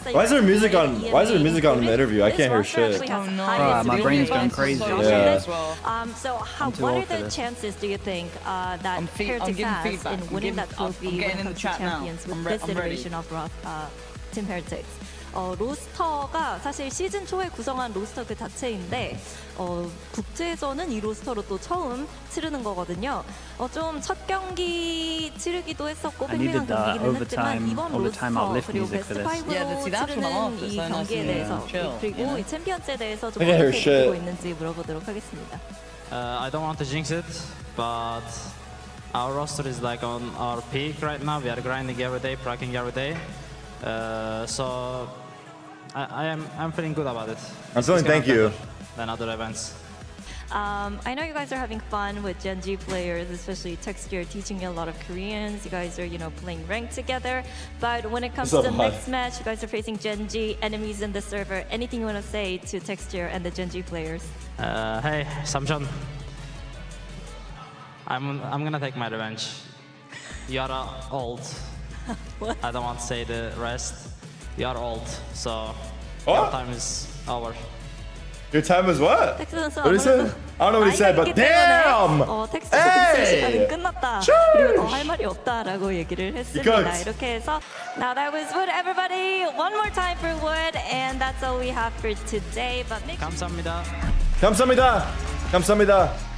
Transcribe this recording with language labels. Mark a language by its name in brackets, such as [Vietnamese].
[English] Why is there music on? Why is there music on in the interview? I can't hear shit. Oh no! My brain's going crazy. Yeah. So, how? What are the chances do you think that Pair to Cast in winning that trophy when it comes to champions with this iteration of Team Heretics? [Korean] 로스터가 사실 시즌 초에 구성한 로스터 그 자체인데 국제에서는 이 로스터로 또 처음 치르는 거거든요. 좀 첫 경기 치르기도 했었고 팽팽한 경기기는 했지만 이번 로스터 그리고 베스트 5로 치르는 이 경기에 대해서 그리고 이 챔피언스에 대해서 좀 어떻게 보고 있는지 물어보도록 하겠습니다. [English] I don't want to jinx it, but our roster is like on our peak right now. We are grinding every day, practicing every day. So I'm feeling good about it. I'm feeling thank you. Than other events. I know you guys are having fun with Gen G players, especially Tekski teaching you a lot of Koreans. You guys are, you know, playing ranked together. But when it comes to the next match, you guys are facing Gen G enemies in the server. Anything you want to say to Tekski and the Gen G players? Hey, Samjeon. I'm gonna take my revenge. You are old. What? I don't want to say the rest. You are old, so your time is over. Your time is what? What did he say? I don't know what he said, but damn! Hey! Cheers! Now that was Wood, everybody. One more time for Wood, and that's all we have for today. But make sure. [Korean] 감사합니다. 감사합니다. 감사합니다.